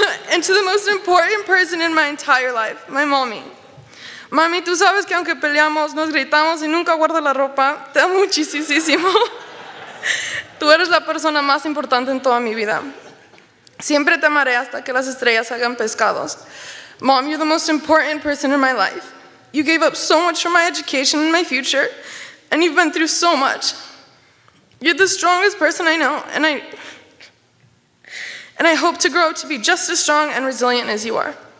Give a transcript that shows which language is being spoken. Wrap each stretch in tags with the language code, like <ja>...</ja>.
<en>And to the most important person in my entire life, my mommy.</en> <es>Mami, tú sabes que aunque peleamos, nos gritamos y nunca guardo la ropa, te amo muchísimo. Tú eres la persona más importante en toda mi vida. Siempre te amaré hasta que las estrellas hagan pescados.</es> <en>Mom, you're the most important person in my life. You gave up so much for my education and my future, and you've been through so much. You're the strongest person I know, and I hope to grow to be just as strong and resilient as you are.</en>